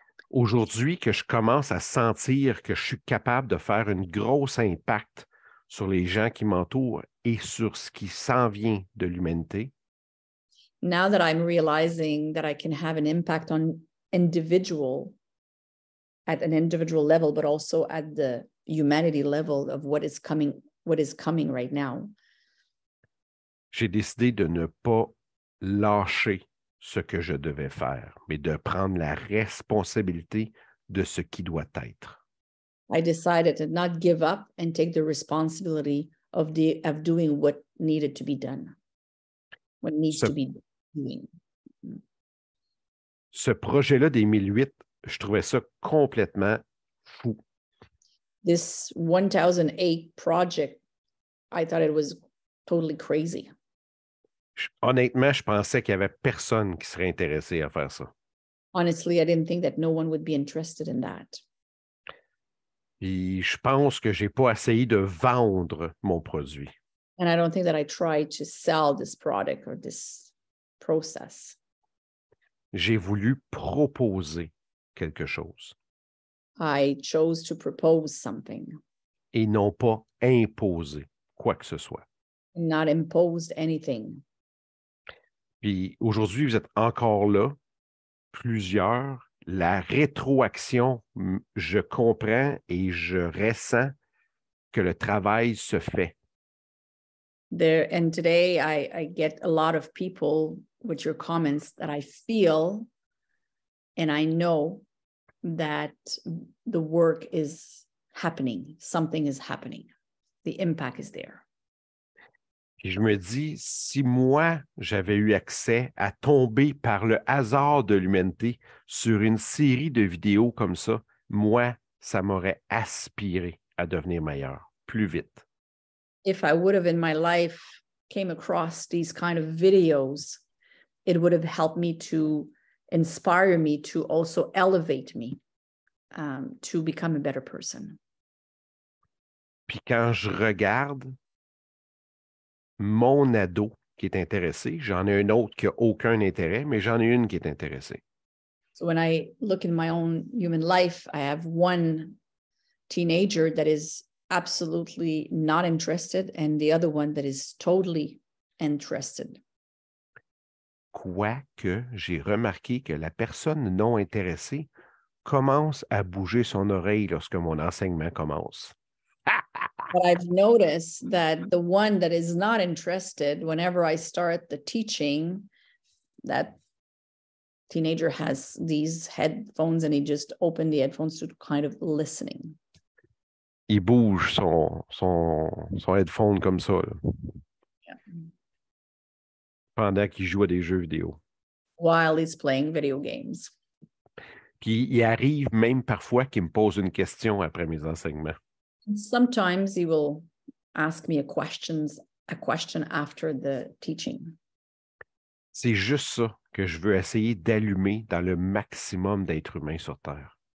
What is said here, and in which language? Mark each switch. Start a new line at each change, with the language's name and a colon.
French: Aujourd'hui, que je commence à sentir que je suis capable de faire un gros impact sur les gens qui m'entourent et sur ce qui s'en vient de l'humanité.
English: Now that I'm realizing that I can have an impact on individual, at an individual level, but also at the humanity level of what is coming right now.
French: J'ai décidé de ne pas lâcher ce que je devais faire, mais de prendre la responsabilité de ce qui doit être.
English: I decided to not give up and take the responsibility of doing what needed to be done. What needs to be doing.
French: Ce projet-là des 1008, je trouvais ça complètement fou.
English: This 1008 project, I thought it was totally crazy.
French: Honnêtement, je pensais qu'il n'y avait personne qui serait intéressé à faire ça.
English: Honestly, I didn't think that no one would be interested in that.
French: Et je pense que je n'ai pas essayé de vendre mon produit.
English: And I don't think that I tried to sell this product or this process.
French: J'ai voulu proposer quelque chose.
English: I chose to propose something.
French: Et non pas imposer quoi que ce soit.
English: Not imposed anything.
French: Puis aujourd'hui, vous êtes encore là, plusieurs. La rétroaction, je comprends et je ressens que le travail se fait.
English: There, and today, I get a lot of people with your comments that I feel and I know that the work is happening. Something is happening. The impact is there.
French: Et je me dis, si moi, j'avais eu accès à tomber par le hasard de l'humanité sur une série de vidéos comme ça, moi, ça m'aurait aspiré à devenir meilleur, plus vite.
English: If I would have in my life came across these kind of videos, it would have helped me to inspire me to also elevate me to become a better person.
French: Puis quand je regarde mon ado qui est intéressé, j'en ai un autre qui n'a aucun intérêt, mais j'en ai une qui est intéressée.
English: So when I look in my own human life, I have one teenager that is absolutely not interested and the other one that is totally interested.
French: Quoique j'ai remarqué que la personne non intéressée commence à bouger son oreille lorsque mon enseignement commence.
English: But I've noticed that the one that is not interested, whenever I start the teaching, that teenager has these headphones and he just opened the headphones to kind of listening.
French: Il bouge son headphone comme ça.
English: Yeah.
French: Pendant qu'il joue à des jeux vidéo.
English: While he's playing video games.
French: Puis il arrive même parfois qu'il me pose une question après mes enseignements.
English: Sometimes he will ask me a question after the teaching.
French: C'est juste ça que je veux essayer d'allumer dans le maximum d'êtres humains sur Terre.